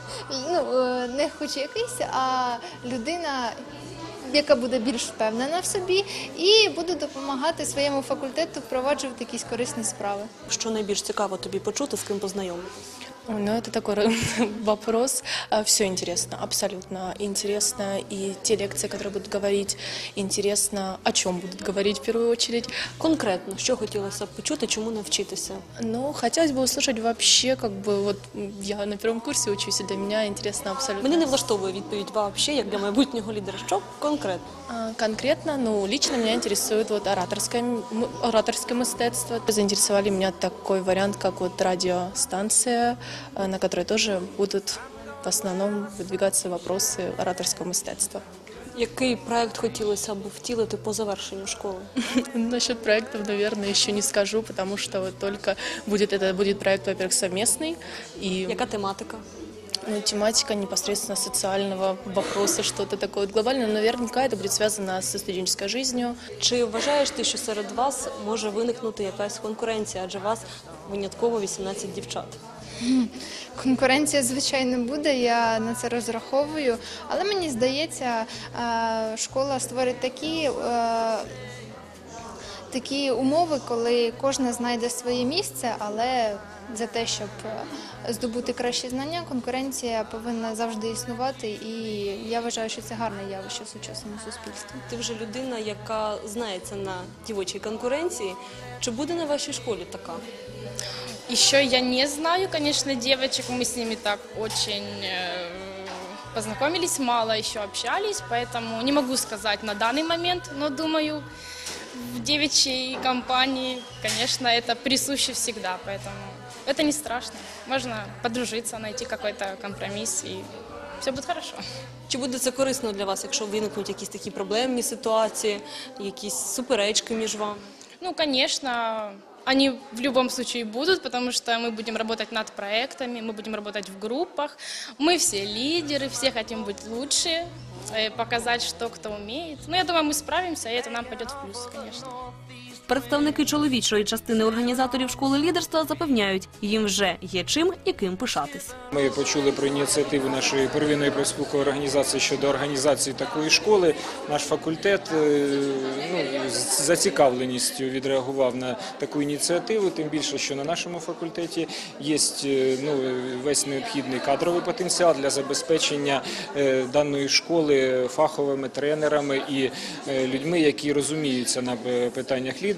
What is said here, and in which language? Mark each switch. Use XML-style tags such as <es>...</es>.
<uk>Ну, не хоч якийсь, а людина, яка буде більш впевнена в собі і буде допомагати своєму факультету впроваджувати якісь корисні справи. Що найбільш цікаво тобі почути, з ким познайомитись?</uk> <ru>Ну, это такой вопрос. Все интересно, абсолютно интересно. И те лекции, которые будут говорить, интересно, о чем будут говорить в первую очередь. Конкретно, что хотелось бы</ru> <uk>почути,</uk> <ru>чему научиться? Ну, хотелось бы услышать вообще, как бы, вот я на первом курсе учусь, и для меня интересно абсолютно. Мне</ru> <uk>не влаштовує відповідь</uk> <ru>вообще,</ru> <uk>як для майбутнього лідера.</uk> <ru>Что конкретно? Конкретно, ну, лично меня интересует вот ораторское</ru> <uk>мистецтво.</uk> <ru>Заинтересовали меня такой вариант, как вот радиостанция, на которой тоже будут в основном выдвигаться вопросы ораторского мастерства.</ru> <uk>Який проект хотілося б втілити по завершенню школи?</uk> <ru>Насчет проектов, наверное, еще не скажу, потому что вот только будет это будет проект, во-первых, совместный. И... Яка тематика? Ну, тематика непосредственно социального вопроса, что-то такое вот глобальное. Наверняка это будет связано со студенческой жизнью.</ru> <uk>Чи вважаєш ти, що серед вас може виникнути якась конкуренція, адже вас винятково 18 дівчат? Конкуренція, звичайно, буде, я на це розраховую, але мені здається, школа створить такі умови, коли кожна знайде своє місце, але за те, щоб здобути кращі знання, конкуренція повинна завжди існувати, і я вважаю, що це гарне явище в сучасному суспільстві. Ти вже людина, яка знається на дівочій конкуренції, чи буде на вашій школі така?</uk> <ru>Еще я не знаю, конечно, девочек, мы с ними так очень познакомились, мало еще общались, поэтому не могу сказать на данный момент, но думаю, в девичьей компании, конечно, это присуще всегда, поэтому это не страшно, можно подружиться, найти какой-то компромисс и все будет хорошо.</ru> <uk>Чи буде це корисно для вас, якщо виникнуть якісь такі проблемні ситуації, якісь суперечки між вами?</uk> <ru>Ну, конечно. Они в любом случае будут, потому что мы будем работать над проектами, мы будем работать в группах. Мы все лидеры, все хотим быть лучше, показать, что кто умеет. Ну, я думаю, мы справимся, и это нам пойдет в плюс, конечно.</ru> <uk>Представники чоловічої частини організаторів школи лідерства запевняють, їм вже є чим і ким пишатись. Ми почули про ініціативу нашої первинної профспілкової організації щодо організації такої школи. Наш факультет, ну, з зацікавленістю відреагував на таку ініціативу, тим більше, що на нашому факультеті є, ну, весь необхідний кадровий потенціал для забезпечення даної школи фаховими тренерами і людьми, які розуміються на питаннях лідерства.</uk>